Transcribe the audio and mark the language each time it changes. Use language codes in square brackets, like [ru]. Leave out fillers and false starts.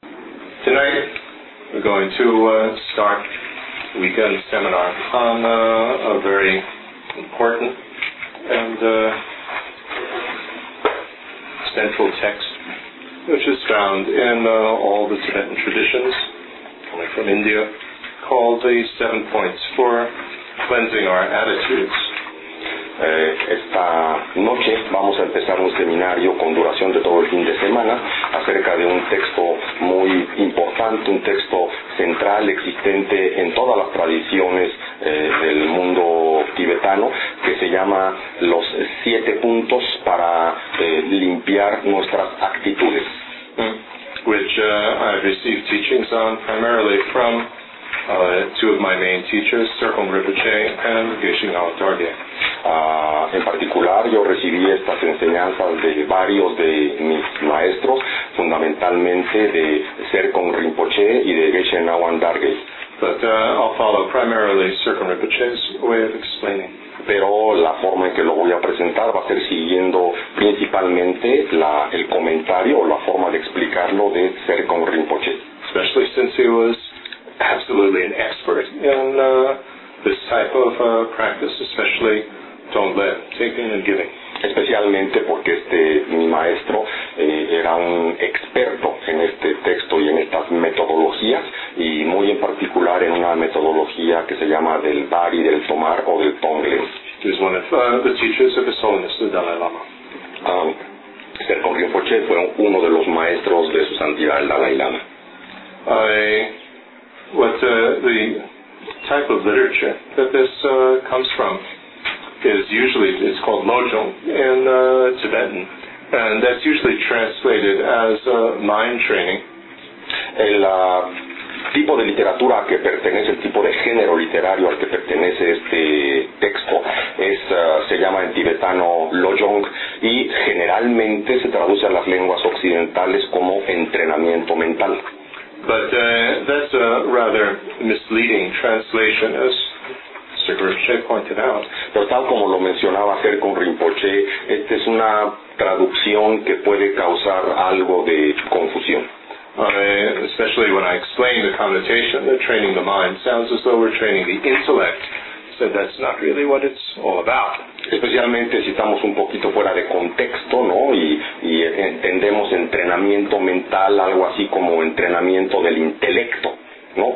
[en] Tonight, we're going to start a weekend seminar on a very important and central text, which is found in all the Tibetan traditions, coming from India, called the 7 points for cleansing our attitudes. [es] Esta noche vamos a empezar un seminario con duración de todo el fin de semana acerca de un texto muy importante, un texto central existente en todas las tradiciones del mundo tibetano, que se llama los siete puntos para limpiar nuestras actitudes. [en] Which I've received teachings on primarily from two of my main teachers, Sirpon Rinpoche and Geshen Lama Dorje. [es] En particular, yo recibí estas enseñanzas de varios de mis maestros, fundamentalmente de Sirpon Rinpoche y de Geshen Lama Dorje. [en] But I'll follow primarily Sirpon Rinpoche's way of explaining. [es] Pero la forma en que lo voy a presentar va a ser siguiendo principalmente el comentario o la forma de explicarlo de Sirpon Rinpoche. [en] Especially since he was absolutely an expert in this type of practice, especially Tonglen, taking and giving. [es] Especialmente porque mi maestro era un experto en este texto y en estas metodologías, y muy en particular en una metodología que se llama del dar y del tomar o del Tonglen. [en] He's one of the teachers of the Holiness of the Dalai Lama. [es] Sirpon Rinpoche fue uno de los maestros de Su Santidad el Dalai Lama. [en] What the type of literature that this comes from is usually, it's called lojong in Tibetan, and that's usually translated as mind training. [es] El tipo de literatura que pertenece, el tipo de género literario al que pertenece este texto, es se llama en tibetano lojong, y generalmente se traduce a las lenguas occidentales como entrenamiento mental. [en] But that's a rather misleading translation, as Sirpon Rinpoche pointed out. [es] Pero tal como lo mencionaba Sirpon Rinpoche, esta es una traducción que puede causar algo de confusión. [en] Especially when I explain the connotation that training the mind sounds as though we're training the intellect. So that's not really what it's all about. [es] Especialmente si estamos un poquito fuera de contexto, ¿no? Y entendemos entrenamiento mental, algo así como entrenamiento del intelecto, ¿no?